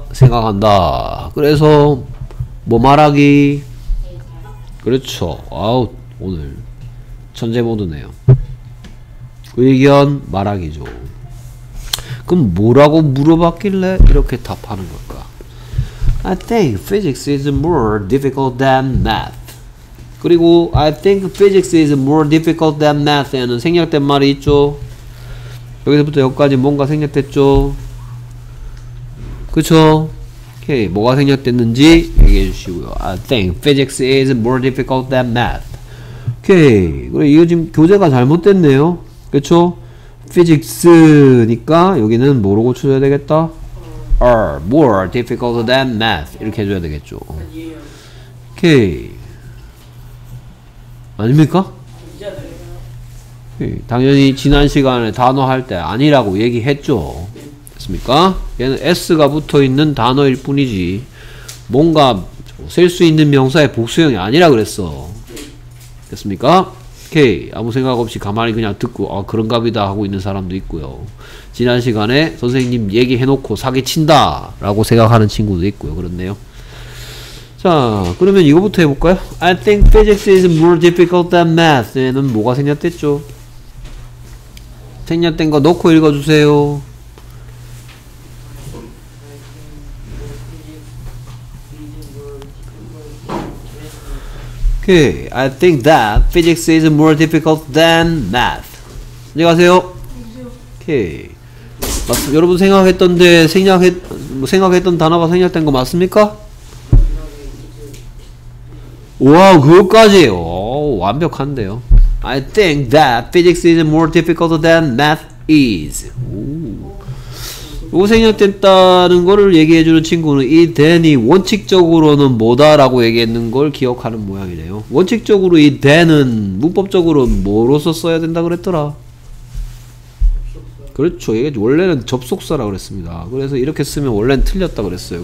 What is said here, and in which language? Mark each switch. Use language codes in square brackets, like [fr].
[ko] 생각한다. 그래서 뭐 말하기? 그렇죠. 아우 오늘 천재모드네요. 의견 말하기죠. 그럼 뭐라고 물어봤길래 이렇게 답하는 걸까? [en] I think physics is more difficult than math. [ko] 그리고 [en] I think physics is more difficult than math [ko] 에는 생략된 말이 있죠. 여기서부터 여기까지 뭔가 생략됐죠. 그쵸? 오케이, 뭐가 생략됐는지 얘기해 주시고요. [en] I think physics is more difficult than math. [ko] 오케이, 그리고 이거 지금 교재가 잘못됐네요. 그쵸? physics니까 여기는 뭐로 고쳐줘야 되겠다? [en] are more difficult than math [ko] 이렇게 해줘야 되겠죠. 오케이, 아닙니까? 당연히 지난 시간에 단어 할 때 아니라고 얘기했죠. 됐습니까? 얘는 S가 붙어있는 단어일 뿐이지 뭔가 셀 수 있는 명사의 복수형이 아니라 그랬어. 됐습니까? 오케이, 아무 생각 없이 가만히 그냥 듣고 아 그런갑이다 하고 있는 사람도 있고요. 지난 시간에 선생님 얘기해놓고 사기친다 라고 생각하는 친구도 있고요. 그렇네요. 자, 그러면 이거부터 해볼까요? [en] I think physics is more difficult than math [ko] 얘는 뭐가 생략됐죠? 생략된 거 넣고 읽어주세요. 오케이, [en] I think that physics is more difficult than math. [ko] 안녕하세요. 오케이, 여러분 생각했던 단어가 생략된 거 맞습니까? 와, 그것까지! 오, 완벽한데요. [en] I think that physics is more difficult than math is. [ko] 이거 생략됐다는 거를 얘기해주는 친구는 이 then이 원칙적으로는 뭐다라고 얘기했는 걸 기억하는 모양이네요. 원칙적으로 이 then은 문법적으로 뭐로서 써야 된다 그랬더라? 그렇죠. 이게 원래는 접속사라고 그랬습니다. 그래서 이렇게 쓰면 원래는 틀렸다 그랬어요.